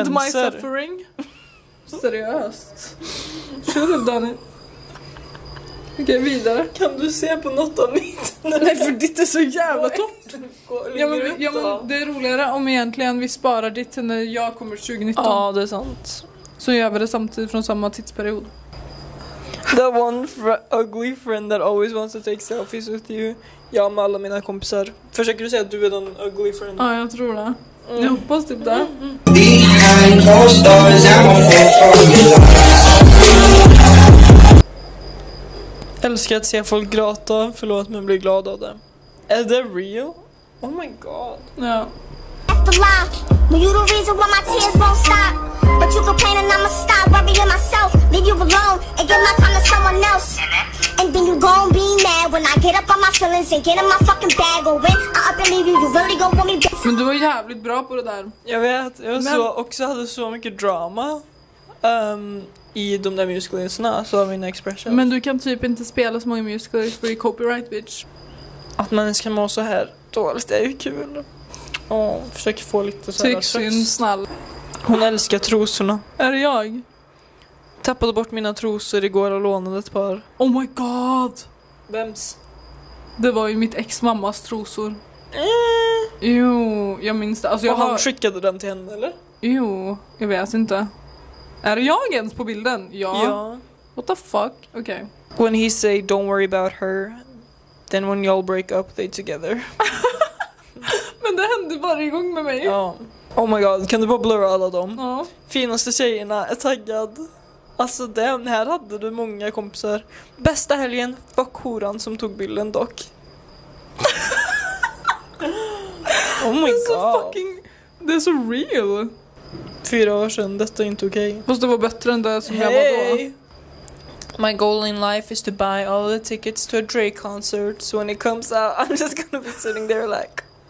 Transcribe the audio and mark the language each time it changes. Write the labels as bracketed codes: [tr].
[en] End my suffering. [sv] Seriöst. [en] Should have done it. [sv] Okej, vidare. Kan du se på något av mitt? Nej, för ditt är så jävla topp. Ja, men, ut, ja, men det är roligare om egentligen vi sparar ditt när jag kommer 2019. Ja, det är sant. Så gör vi det samtidigt från samma tidsperiod. [en] The one ugly friend that always wants to take selfies with you. [sv] Ja, med alla mina kompisar. Försöker du säga att du är den [en] ugly friend? [sv] Ja, jag tror det. Mm. Jag hoppas typ det. Älskar att se folk gråta. Förlåt, men blir glad av det. Är det real? [en] Oh my god. [sv] Ja. [en] That's the lie. Well, you the reason why my tears won't stop. But you complain and I'ma stop worrying myself. Leave you alone and give my time to someone else. And then you gon' be mad when I get up on my feelings and get in my fucking bag. Or when I up and leave you, you really gon' want me back. [sv] Men du var jävligt bra på det där. Jag vet, jag men... så också hade så mycket drama. I de där musicalerna, så har mina expressions. Men du kan typ inte spela så många musicaler för copyright, bitch. Att man ska må så här dåligt är ju kul. Åh, försöker få lite så tyck här synd, snäll. Hon älskar trosorna. Är det jag? Tappade bort mina trosor igår och lånade ett par. [en] Oh my god! [sv] Vems? Det var ju mitt ex mammas trosor. Jo, jag minns det. Alltså, jag har... han skickade den till henne, eller? Jo, jag vet inte. Är jag ens på bilden? Ja. Ja. [en] What the fuck? Okay. When he say don't worry about her, then when y'all break up, they together. [sv] Men det hände bara igång med mig. Ja. [en] Oh my god, [sv] kan du bara blurra alla dem? Ja. Finaste tjejerna är taggad. Alltså, den här hade du många kompisar. Bästa helgen, fuck horan som tog bilden dock. [en] Oh my god. [sv] Det är så fucking... Det är så real. 4 år sedan, detta är inte okej. [en] Okay. [sv] Fast det var bättre än det som hey. Jag var då. [en] My goal in life is to buy all the tickets to a Drake concert. So when it comes out, I'm just gonna be sitting there like...